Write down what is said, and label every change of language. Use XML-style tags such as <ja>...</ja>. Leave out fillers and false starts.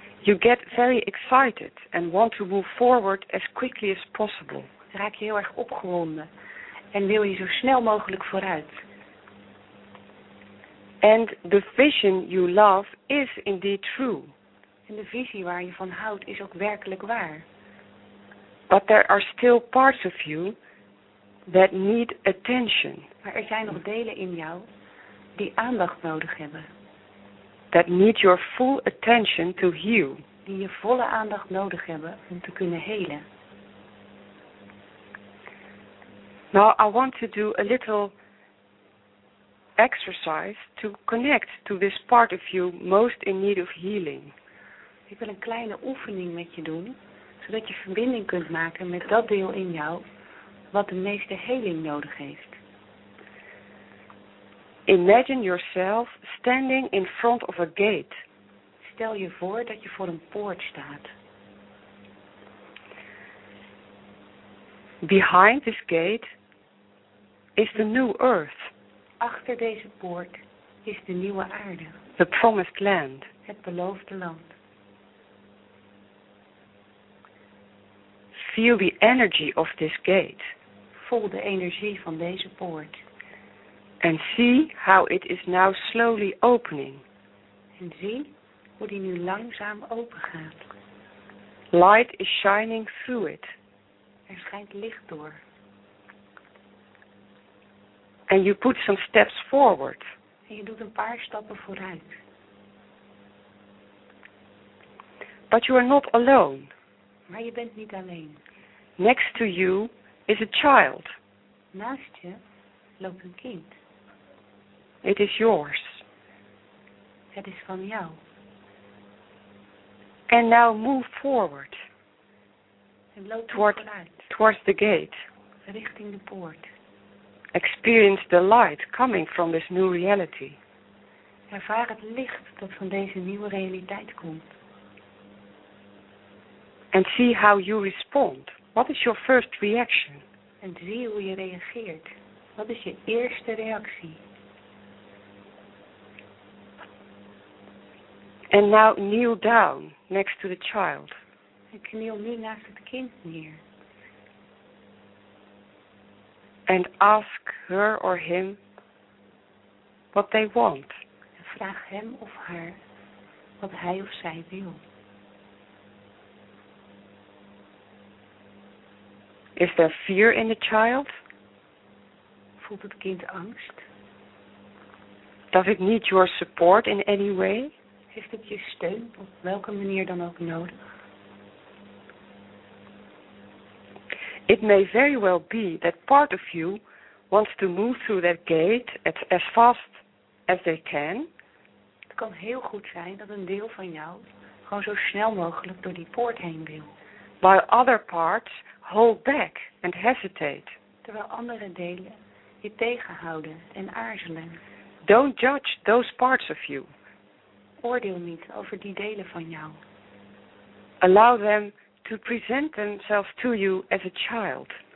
<en>You get very excited and want to move forward as quickly as possible.</en> <nl>Raak je heel erg opgewonden en wil je zo snel mogelijk vooruit.</nl> <en>And the vision you love is indeed true.</en> <nl>En de visie waar je van houdt is ook werkelijk waar.</nl> <en>But there are still parts of you that need attention.</en> <nl>Maar er zijn nog delen in jou die aandacht nodig hebben.</nl> <en>That need your full attention to heal.</en> <nl>Die je volle aandacht nodig hebben om te kunnen helen.</nl> <en>Now I want to do a little exercise to connect to this part of you most in need of healing.</en> <nl>Ik wil een kleine oefening met je doen, zodat je verbinding kunt maken met dat deel in jou wat de meeste heling nodig heeft.</nl> <en>Imagine yourself standing in front of a gate.</en> <nl>Stel je voor dat je voor een poort staat.</nl> <en>Behind this gate is the new earth.</en> <nl>Achter deze poort is de nieuwe aarde.</nl> <en>The promised land.</en> <nl>Het beloofde land.</nl> <en>Feel the energy of this gate.</en> <nl>Voel de energie van deze poort.</nl> <en>And see how it is now slowly opening.</en> <nl>En zie hoe die nu langzaam open gaat.</nl> <en>Light is shining through it.</en> <nl>Er schijnt licht door.</nl> <en>And you put some steps forward.</en> <nl>En je doet een paar stappen vooruit.</nl> <en>But you are not alone.</en> <nl>Maar je bent niet alleen.</nl> <en>Next to you is a child.</en> <nl>Naast je loopt een kind.</nl> <en>It is yours.</en> <nl>Het is van jou.</nl> <en>And now move forward.</en> <nl>En loop vooruit.</nl> <en>Towards the gate.</en> <nl>Richting de poort.</nl> <en>Experience the light coming from this new reality.</en> <nl>Ervaar het licht dat van deze nieuwe realiteit komt.</nl> <en>And see how you respond. What is your first reaction?</en> <nl>En zie hoe je reageert. Wat is je eerste reactie?</nl> <en>And now kneel down next to the child.</en> <nl>En kniel nu naast het kind neer.</nl> <en>And ask her or him what they want.</en> <nl>En vraag hem of haar wat hij of zij wil.</nl> <en>Is there fear in the child?</en> <nl>Voelt het kind angst?</nl> <en>Does it need your support in any way?</en> <nl>Heeft het je steun op welke manier dan ook nodig?</nl> <en>It may very well be that part of you wants to move through that gate as fast as they can.</en> <nl>Het kan heel goed zijn dat een deel van jou gewoon zo snel mogelijk door die poort heen wil.</nl> <en>While other parts hold back and hesitate.</en> <nl>Terwijl andere delen je tegenhouden en aarzelen.</nl> <en>Don't judge those parts of you.</en> <nl>Oordeel niet over die delen van jou.</nl> <en>Allow them to present themselves to you as a child.</en>